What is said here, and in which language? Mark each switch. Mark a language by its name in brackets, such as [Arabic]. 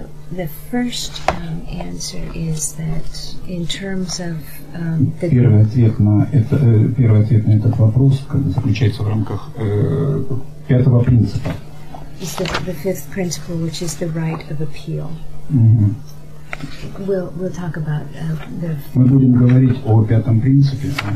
[English] The first answer is that in terms of... [Russian] Первый ответ на этот вопрос заключается в рамках пятого принципа. [English] It's the fifth principle, which is the right of appeal. We'll talk about the. [Russian] Мы будем говорить о пятом принципе.